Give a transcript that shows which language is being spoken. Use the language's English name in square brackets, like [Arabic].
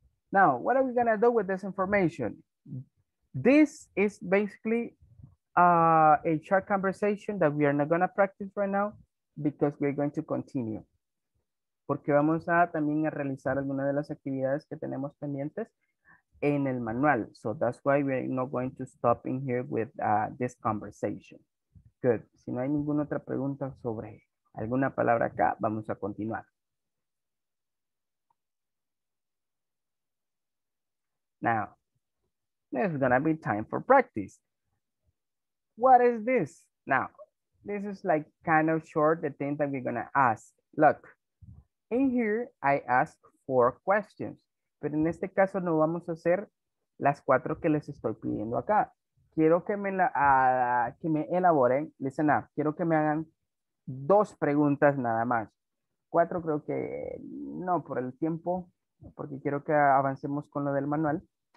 [English] Now, what are we going to do with this information? This is basically a short conversation that we are not going to practice right now because we're going to continue. [Spanish] Porque vamos a también a realizar algunas de las actividades que tenemos pendientes en el manual. [English] So that's why we're not going to stop in here with this conversation. Good. [Spanish] Si no hay ninguna otra pregunta sobre alguna palabra acá, vamos a continuar. [English] Now, there's gonna be time for practice. What is this? Now, this is like kind of short, the thing that we're gonna ask. Look, in here, I ask four questions. [Spanish] Pero en este caso, no vamos a hacer las cuatro que les estoy pidiendo acá. Quiero que me elaboren, [English] listen up, [Spanish] quiero que me hagan dos preguntas nada más. Cuatro creo que no, por el tiempo, porque quiero que avancemos con lo del manual.